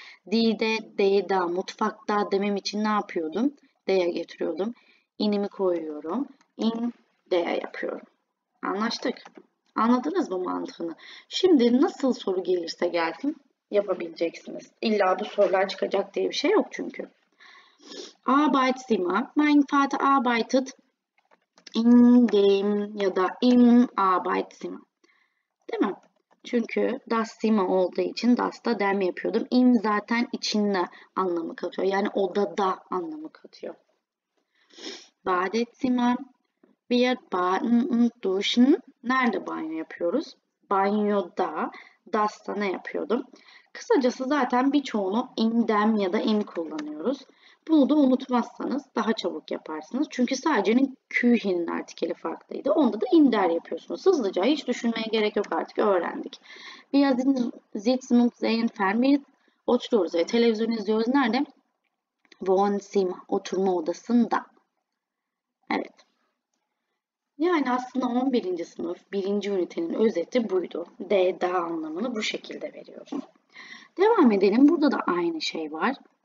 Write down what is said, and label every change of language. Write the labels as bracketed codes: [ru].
[tr] Die de, da, mutfakta demem için ne yapıyordum? De'ye getiriyordum. İnimi koyuyorum. İn, de'ye yapıyorum. Anlaştık. Anladınız mı mantığını? Şimdi nasıl soru gelirse gelsin yapabileceksiniz. İlla bu sorular çıkacak diye bir şey yok çünkü. [de] Arbeitszimmer. Mein Vater arbeitet in dem [tr] ya da [de] im Arbeitszimmer. [tr] Değil mi? Çünkü das Zimmer olduğu için das da dem yapıyordum. İm zaten içinde anlamı katıyor. Yani odada anlamı katıyor. Badezimmer. [de] Wir baden duschen. Nerede banyo yapıyoruz? [tr] Banyoda. Das da ne yapıyordum? Kısacası zaten birçoğunu indem ya da im kullanıyoruz. Bunu da unutmazsanız daha çabuk yaparsınız. Çünkü sadece Küche'nin artikeli farklıydı. Onda da inder yapıyorsunuz. Hızlıca hiç düşünmeye gerek yok artık öğrendik. [de] Wir sitzen und sehen fern. [tr] Biz oturuyoruz ve televizyon izliyoruz. Nerede? Wohnzimmer. Oturma odasında. Evet. Yani aslında 11. sınıf 1. ünitenin özeti buydu. D daha anlamını bu şekilde veriyorum. Devam edelim. Burada da aynı şey var.